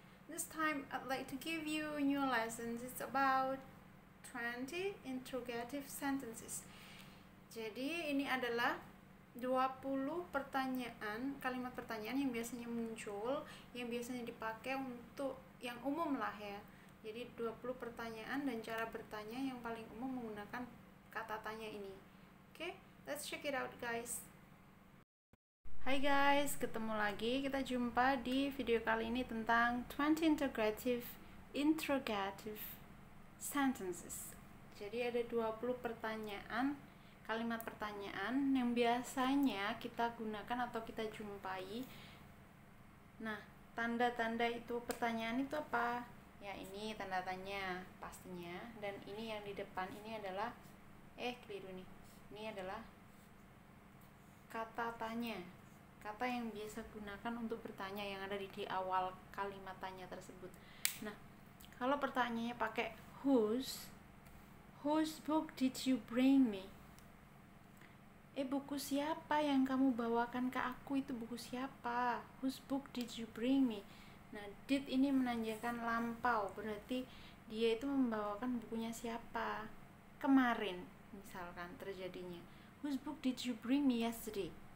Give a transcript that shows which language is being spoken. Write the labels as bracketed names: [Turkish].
[English] This time I'd like to give you new lessons. It's about 20 interrogative sentences. [Indonesian] Jadi ini adalah 20 pertanyaan, kalimat pertanyaan yang biasanya muncul, yang biasanya dipakai untuk yang umum lah ya. Jadi 20 pertanyaan dan cara bertanya yang paling umum menggunakan kata tanya ini. [English] Oke? Let's check it out, guys. Hi guys, [Indonesian] ketemu lagi. Kita jumpa di video kali ini tentang [English] 20 interrogative sentences. [Indonesian] Jadi ada 20 pertanyaan, kalimat pertanyaan yang biasanya kita gunakan atau kita jumpai. Nah, tanda-tanda itu pertanyaan itu apa? Ya, ini tanda tanya pastinya. Dan ini yang di depan ini adalah keliru nih. Ini adalah kata tanya, kata yang biasa gunakan untuk bertanya yang ada di awal kalimat tanya tersebut. Nah, kalau pertanyaannya pakai [English] whose book did you bring me? [Indonesian] Buku siapa yang kamu bawakan ke aku itu buku siapa? [English] Whose book did you bring me? [Indonesian] Nah, did ini menanjakan lampau, berarti dia itu membawakan bukunya siapa? Kemarin, misalkan terjadinya. [English] Whose book did you bring me yesterday?